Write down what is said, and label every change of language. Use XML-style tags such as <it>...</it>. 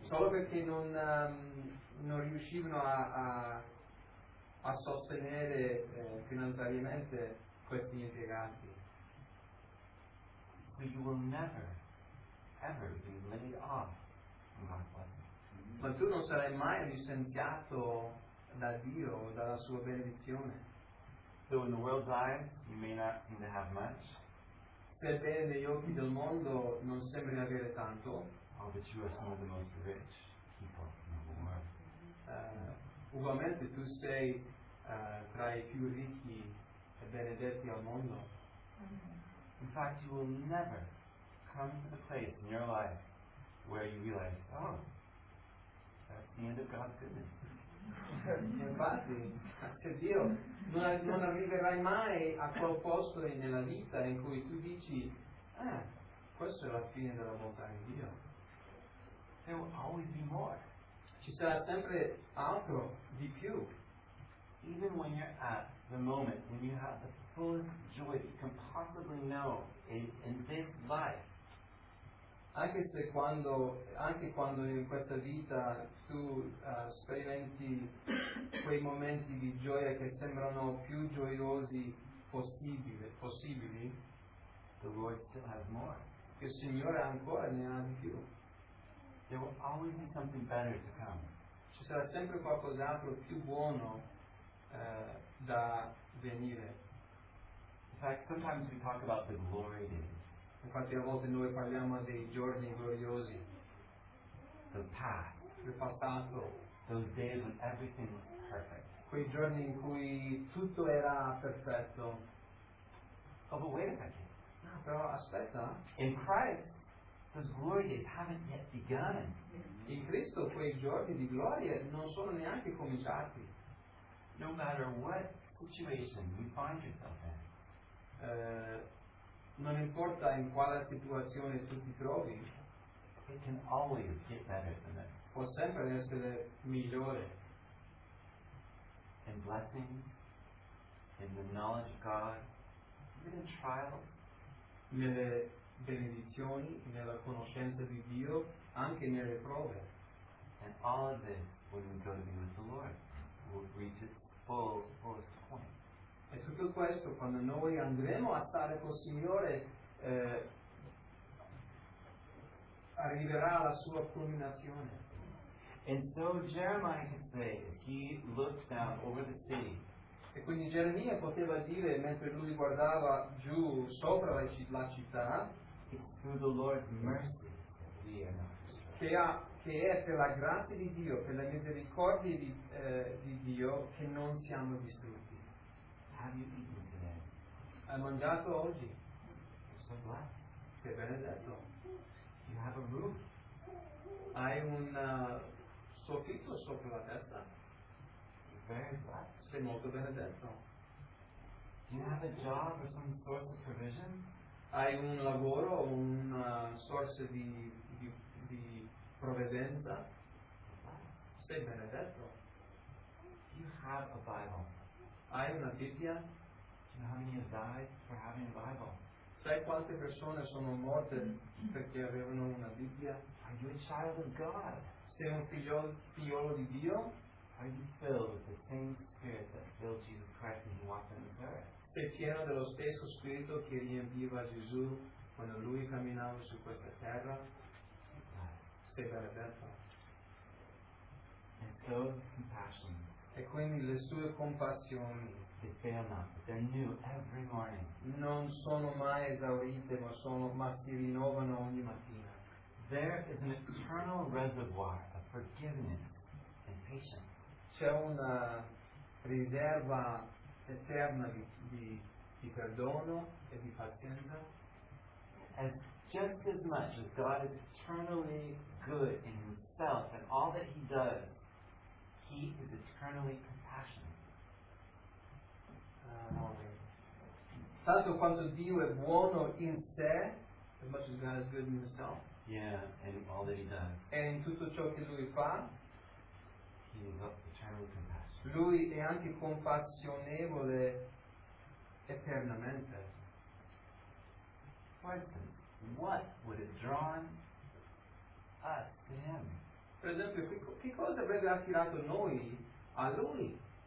<it>Solo perché non riuscivano a sostenere finanziariamente questi impiegati.</it> <en>But you will never, ever be laid off from God's blessing.</en> <it>Ma tu non sarai mai licenziato da Dio, dalla sua benedizione.</it> <en>So in the world's eyes, you may not seem to have much.</en> <it>Sebbene negli occhi del mondo non sembri avere tanto.</it> <en>Oh, but you are some of the most rich people in the world.</en> <it>Ugualmente tu sei tra i più ricchi e benedetti al mondo.</it> <en>In fact, you will never come to the place in your life where you realize, oh, that's the end of God's goodness.</en> <it>Infatti, grazie a Dio, non arriverai mai a quel posto nella vita in cui tu dici, questa è la fine della bontà di Dio.</it> <en>There will always be more.</en> <it>Ci sarà sempre altro di più.</it> <en>Even when you're at the moment when you have the fullest joy that you can possibly know in this life.</en> <it>Anche quando in questa vita tu sperimenti quei momenti di gioia che sembrano più gioiosi possibili,</it> <en>the Lord still has more.</en> <it>Il Signore ancora ne ha di più.</it> <en>There will always be something better to come.</en> <it>Ci sarà sempre qualcos'altro più buono da venire.</it> <en>In fact, sometimes we talk about the glory days.</en> <it>Infatti, a volte noi parliamo dei giorni gloriosi.</it> <en>The past.</en> <it>Il passato.</it> <en>Those days when everything was perfect.</en> <it>Quei giorni in cui tutto era perfetto.</it> <en>Oh, but wait a second.</en> <it>No, però aspetta.</it> <en>In Christ, those glory days haven't yet begun.</en> <it>In Cristo, quei giorni di gloria non sono neanche cominciati.</it> <en>No matter what situation you find yourself in.</en> <it>Non importa in quale situazione tu ti trovi,</it> <en>it can always get better than that.</en> <it>Può sempre essere migliore.</it> <en>In blessings, in the knowledge of God, even in trials,</en> <it>nelle benedizioni, nella conoscenza di Dio, anche nelle prove.</it> <en>And all of this, when we go to be with the Lord, will reach its fullest point.</en> <it>E tutto questo, quando noi andremo a stare col Signore, arriverà alla sua culminazione.</it> <en>And so Jeremiah can say, as he looked down over the city.</en> <it>E quindi Geremia poteva dire, mentre lui guardava giù sopra la città,</it> <en>it's through the Lord's mercy that we are not</en> <it>Che è per la grazia di Dio, per la misericordia di Dio, che non siamo distrutti.</it> <en>Have you eaten today?</en> <it>Hai mangiato oggi?</it> <en>You're so blessed.</en> <it>Sei benedetto.</it> <en>You have a roof.</en> <it>Hai un soffitto sopra la testa.</it> <en>You're very blessed.</en> <it>Sei molto benedetto.</it> <en>Do you have a job or some source of provision?</en> <it>Hai un lavoro o una source di provvidenza? Sei benedetto.</it> <en>You have a Bible.</en> <it>Hai una Bibbia?</it> <en>Do you know how many have died for having a Bible?</en> <it>Sai quante persone sono morte perché avevano una Bibbia?</it> <en>Are you a child of God?</en> <it>Sei un figliolo di Dio?</it> <en>Are you filled with the same spirit that filled Jesus Christ when he walked on this earth?</en> <it>Sei pieno dello stesso spirito che riempiva Gesù quando lui camminava su questa terra? Sei benedetto.</it> <en>And so his compassion.</en> <it>E quindi le sue compassioni.</it> <en>They fail not, but they're new every morning.</en> <it>Non sono mai esaurite, ma si rinnovano ogni mattina.</it> <en>There is an eternal reservoir of forgiveness and patience.</en> <it>C'è una riserva eterna di perdono e di pazienza.</it> <en>As just as much as God is eternally good in himself and all that he does, he is eternally compassionate.</en> <it>Tanto quanto Dio è buono in sé,</it> <en>as much as God is good in himself. Yeah, and all that he does.</en> <it>E in tutto ciò che lui fa,</it> <en>he is eternally compassionate.</en> <it>Lui è anche compassionevole eternamente.</it> <en>For instance, what would have drawn us to him?</en> <it>Per esempio, che cosa avrebbe attirato noi a lui?</it>